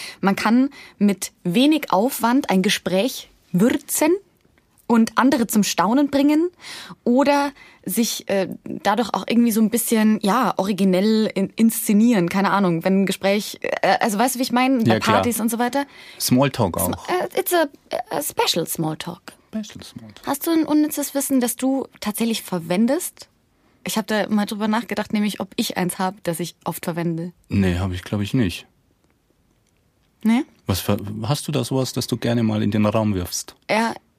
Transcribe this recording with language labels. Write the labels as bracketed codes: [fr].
[de] Man kann mit wenig Aufwand ein Gespräch würzen und andere zum Staunen bringen oder sich dadurch auch irgendwie so ein bisschen originell inszenieren. Keine Ahnung, wenn ein Gespräch, also weißt du, wie ich meine, bei Partys und so weiter. Smalltalk auch. [en] It's a special Smalltalk. [de] meistens Mund. Hast du ein unnützes Wissen, das du tatsächlich verwendest? Ich habe da mal drüber nachgedacht, nämlich ob ich eins habe, das ich oft verwende. Nee, habe ich glaube ich nicht. Nee? Hast du da sowas, das du gerne mal in den Raum wirfst? Ja.